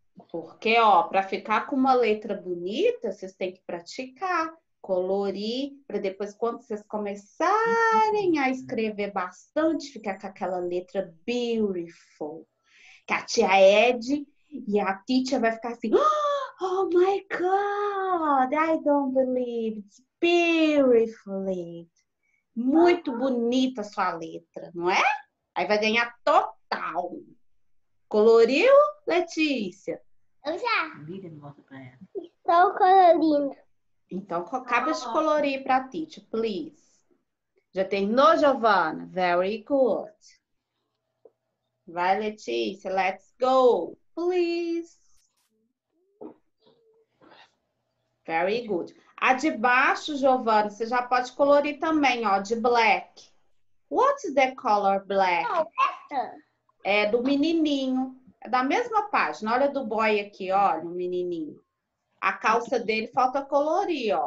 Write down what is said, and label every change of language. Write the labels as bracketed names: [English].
[Portuguese] Porque, ó, pra ficar com uma letra bonita, vocês têm que praticar. Colorir, pra depois, quando vocês começarem a escrever bastante, ficar com aquela letra beautiful. Que a tia Ed e a Titia vai ficar assim... [English] Oh my God, I don't believe, it's beautifully. [Portuguese] Muito bonita a sua letra, não é? Aí vai ganhar total. Coloriu, Letícia? Eu já. Estou colorindo. Então, acaba de colorir para a Titi, please. Já terminou, Giovana? [English] Very good. [Portuguese] Vai, [English] Letícia, let's go, please. Very good. [Portuguese] A de baixo, Giovana, você já pode colorir também, ó, de black. [English] What's the color black? Oh, [Portuguese] é do menininho. É da mesma página. Olha do boy aqui, olha, o menininho. A calça dele falta colorir, ó.